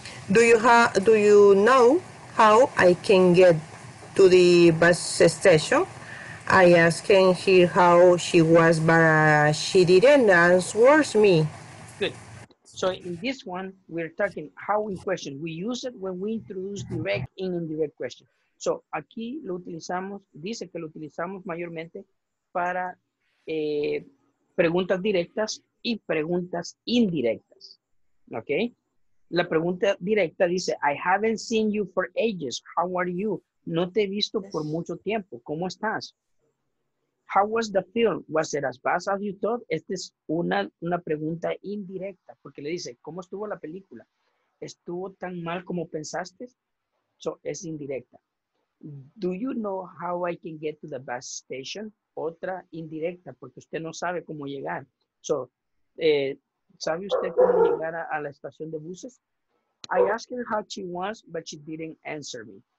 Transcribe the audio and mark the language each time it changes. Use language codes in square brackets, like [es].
[en] Do you know how I can get to the bus station? I asked her how she was, but she didn't answer me. Good. So in this one, we're talking how in question. We use it when we introduce direct and indirect questions. [es] So aquí lo utilizamos, dice que lo utilizamos mayormente para preguntas directas y preguntas indirectas. [en] Okay? [es] La pregunta directa dice, [en] I haven't seen you for ages. How are you? [es] No te he visto por mucho tiempo. ¿Cómo estás? [en] How was the film? Was it as bad as you thought? [es] Esta es una pregunta indirecta, porque le dice, ¿cómo estuvo la película? ¿Estuvo tan mal como pensaste? So, es indirecta. [en] Do you know how I can get to the bus station? [es] Otra indirecta, porque usted no sabe cómo llegar. So, ¿sabe usted cómo llegar a la estación de buses? [en] I asked her how she was, but she didn't answer me.